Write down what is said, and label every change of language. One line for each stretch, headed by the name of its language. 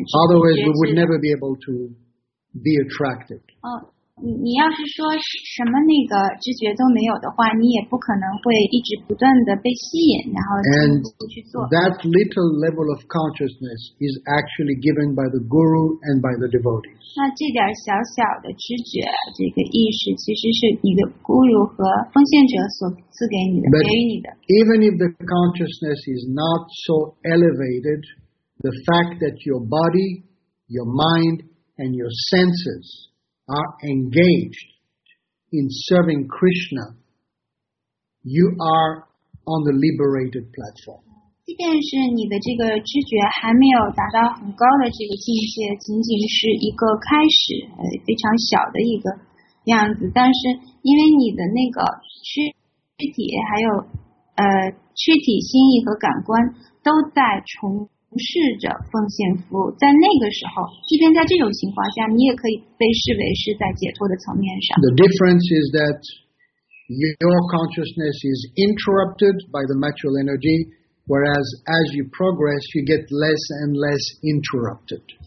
English: Otherwise, we would never be able to be attracted.
Chinese: 你要是说什么那个知觉都没有的话，你也不可能会一直不断的被吸引，然后进一步去做。
English: That little level of consciousness is actually given by the guru and by the devotees.
Chinese: 那这点小小的知觉，这个意识，其实是你的 guru 和奉献者所赐给你的，给予你的。
English: Even if the consciousness is not so elevated, the fact that your body, your mind, and your senses are engaged in serving Krishna, you are on the liberated platform.
Chinese: 即便是你的这个知觉还没有达到很高的这个境界，仅仅是一个开始，非常小的一个样子，但是因为你的那个躯体还有躯体心意和感官都在重试着奉献服务在那个时候即便在这种情况下你也可以被视为是在解脱的层面上
English: The difference is that your consciousness is interrupted by the material energy whereas as you progress you get less and less interrupted